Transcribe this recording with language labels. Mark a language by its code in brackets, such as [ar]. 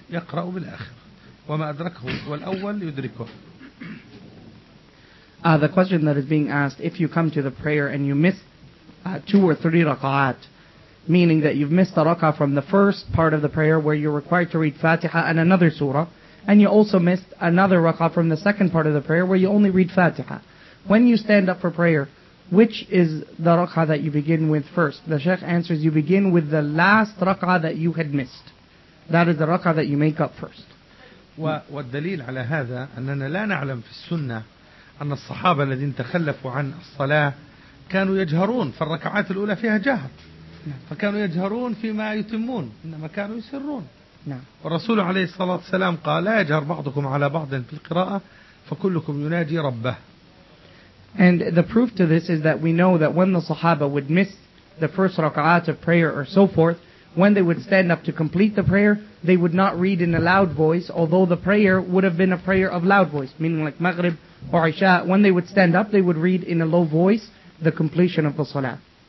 [ar] يقرأ بالآخر وما أدركه والأول يدركه. [en] The question that is being asked, if you come to the prayer and you miss two or three raka'at, meaning that you've missed a raka'ah from the first part of the prayer where you're required to read Fatiha and another surah, and you also missed another raka'ah from the second part of the prayer where you only read Fatiha, when you stand up for prayer, which is the rak'ah that you begin with first? The Sheikh answers, you begin with the last rak'ah that you had missed. That is the rak'ah that you make up first. [ar] والدليل على هذا أننا لا نعلم في السنة أن الصحابة الذين تخلفوا عن الصلاة كانوا يجهرون في الركعات الأولى فيها جهر، فكانوا يجهرون فيما يتمون، إنما كانوا يسرون. والرسول عليه الصلاة والسلام قال: لا يجهر بعضكم على بعض في القراءة فكلكم يناجي ربه. [en] And the proof to this is that we know that when the Sahaba would miss the first rak'at of prayer or so forth, when they would stand up to complete the prayer, they would not read in a loud voice, although the prayer would have been a prayer of loud voice, meaning like Maghrib or Isha. When they would stand up, they would read in a low voice the completion of the Salah.